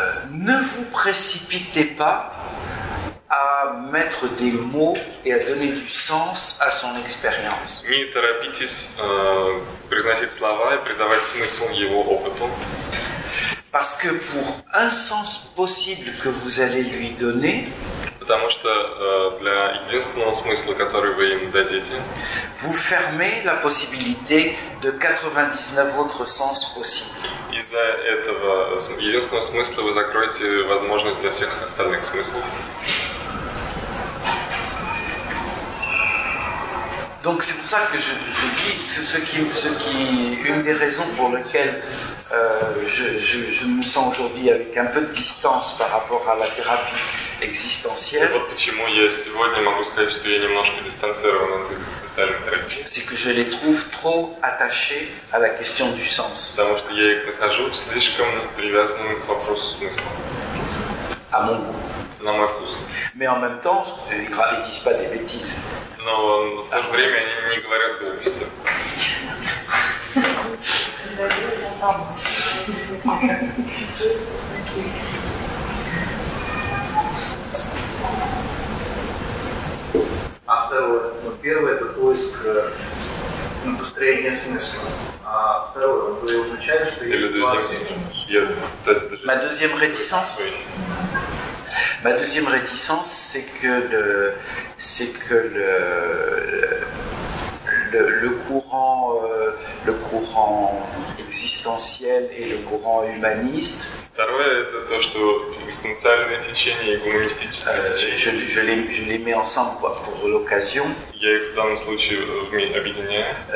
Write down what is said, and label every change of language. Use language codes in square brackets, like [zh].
[fr] ne vous précipitez pas à mettre des mots et à donner du sens à son expérience. [ru] Не торопитесь произносить слова и придавать смысл его опыту. [fr] Parce que pour un sens possible que vous allez lui donner, [ru] потому что для единственного смысла, который вы им дадите, [fr] vous fermez la possibilité de 99 autres sens possibles. [ru] Из-за этого единственного смысла вы закроете возможность для всех остальных смыслов. [fr] Donc c'est pour ça que je dis ce qui une des raisons pour lesquelles je me sens aujourd'hui avec un peu de distance par rapport à la thérapie экзистенциель. [ru] Вот почему я сегодня могу сказать, что я немножко дистанцирован от экзистенциальных терапий. [fr] C'est que je les trouve trop attachés à la question du sens. [ru] Потому что я их нахожу слишком привязанными к вопросу смысла. [fr] À mon goût. [ru] На мой вкус. [fr] Mais en même temps, ils disent pas des bêtises. [ru] Но в то же время они не говорят глупости. А второе, ну первое это поиск построения смысла. А второе, вы означаете, что или есть власть? [fr] Ma deuxième réticence. Ma deuxième réticence, c'est que le courant existentiel et le courant humaniste. [ru] Второе это то, что экзистенциальное течение и гуманистическое течение. [fr] Je les mets ensemble pour l'occasion. [ru] Я их в данном случае объединяю.